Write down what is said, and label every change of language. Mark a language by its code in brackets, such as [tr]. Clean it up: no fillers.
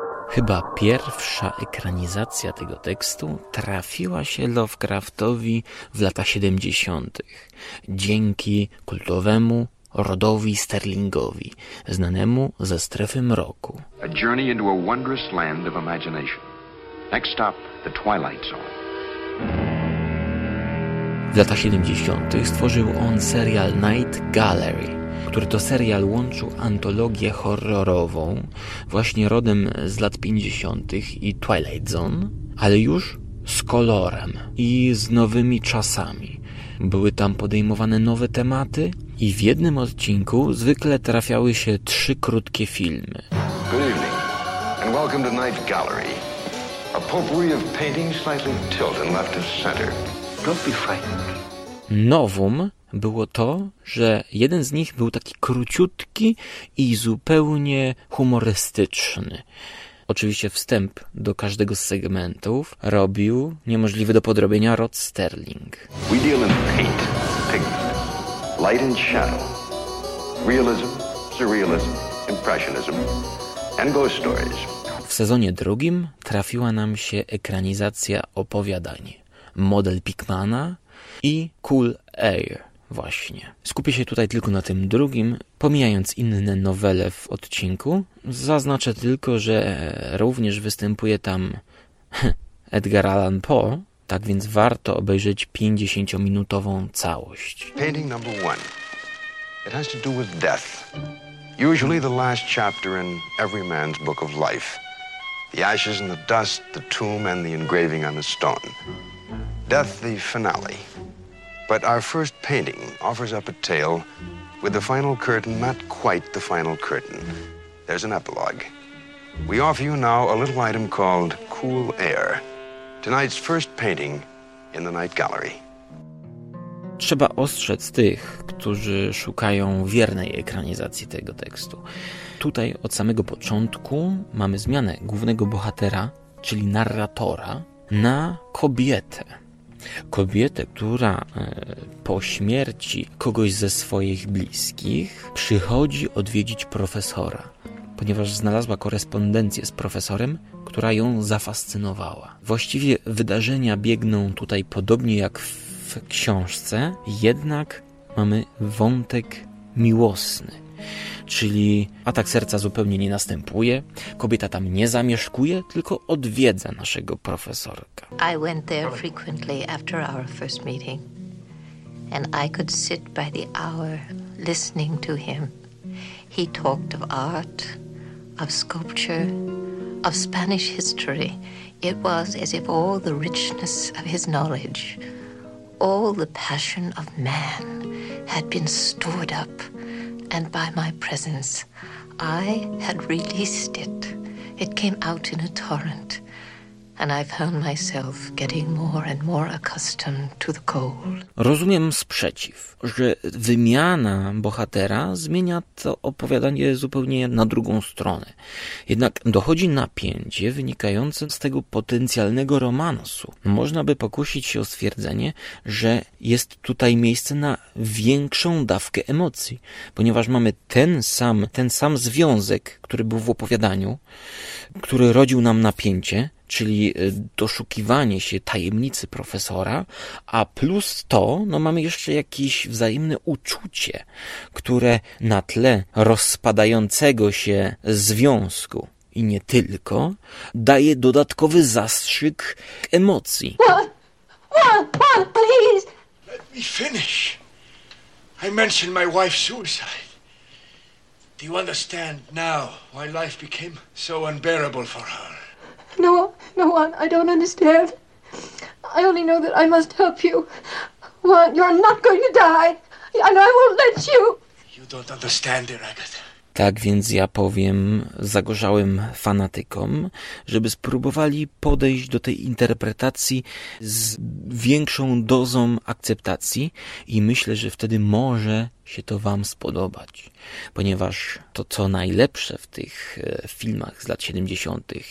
[pl] Chyba pierwsza ekranizacja tego tekstu trafiła się Lovecraftowi w latach 70. dzięki kultowemu Rodowi Sterlingowi, znanemu ze Strefy Mroku. [en] A journey into a wondrous land of imagination. Next stop, the Twilight Zone. [pl] W latach 70. stworzył on serial Night Gallery, który to serial łączył antologię horrorową właśnie rodem z lat 50. i Twilight Zone, ale już z kolorem i z nowymi czasami. Były tam podejmowane nowe tematy i w jednym odcinku zwykle trafiały się trzy krótkie filmy. [en] Good evening and welcome to Night Gallery. A potpourri of paintings slightly tilted and left of center. Don't be frightened. [pl] Nowum było to, że jeden z nich był taki króciutki i zupełnie humorystyczny. Oczywiście wstęp do każdego z segmentów robił niemożliwy do podrobienia Rod Sterling. [en] We deal in paint, pigment, light and shadow, realism, surrealism, impressionism and ghost stories. [pl] W sezonie drugim trafiła nam się ekranizacja opowiadań Model Pickmana i Cool Air właśnie. Skupię się tutaj tylko na tym drugim, pomijając inne nowele w odcinku. Zaznaczę tylko, że również występuje tam Edgar Allan Poe, tak więc warto obejrzeć 50-minutową całość. [en] Painting number one. It has to do with death. Usually the last chapter in every man's book of life. The ashes and the dust, the tomb and the engraving on the stone. Death, the finale. But our first painting offers up a tale with the final curtain, not quite the final curtain. There's an epilogue. We offer you now a little item called Cool Air. Tonight's first painting in the Night Gallery. [pl] Trzeba ostrzec tych, którzy szukają wiernej ekranizacji tego tekstu. Tutaj od samego początku mamy zmianę głównego bohatera, czyli narratora, na kobietę. Kobietę, która po śmierci kogoś ze swoich bliskich przychodzi odwiedzić profesora, ponieważ znalazła korespondencję z profesorem, która ją zafascynowała. Właściwie wydarzenia biegną tutaj podobnie jak w książce, jednak mamy wątek miłosny, czyli atak serca zupełnie nie następuje, kobieta tam nie zamieszkuje, tylko odwiedza naszego profesorka. [en] I went there frequently after our first meeting and I could sit by the hour listening to him. He talked of art, of sculpture, of Spanish history. It was as if all the richness of his knowledge, all the passion of man had been stored up, and by my presence I had released it. It came out in a torrent, and I found myself getting more and more accustomed to the cold. [pl] Rozumiem sprzeciw, że wymiana bohatera zmienia to opowiadanie zupełnie na drugą stronę. Jednak dochodzi napięcie wynikające z tego potencjalnego romansu. Można by pokusić się o stwierdzenie, że jest tutaj miejsce na większą dawkę emocji, ponieważ mamy ten sam związek, który był w opowiadaniu, który rodził nam napięcie, czyli doszukiwanie się tajemnicy profesora, a plus to, no mamy jeszcze jakieś wzajemne uczucie, które na tle rozpadającego się związku i nie tylko, daje dodatkowy zastrzyk emocji. [en] What? Please! Let me finish. I mentioned my wife's suicide. Do you understand now why life became so unbearable for her? No, no, Juan, I don't understand. I only know that I must help you. Juan, you're not going to die. And I won't let you. You don't understand, dear Agatha. [pl] Tak więc ja powiem zagorzałym fanatykom, żeby spróbowali podejść do tej interpretacji z większą dozą akceptacji i myślę, że wtedy może się to wam spodobać. Ponieważ to, co najlepsze w tych filmach z lat 70.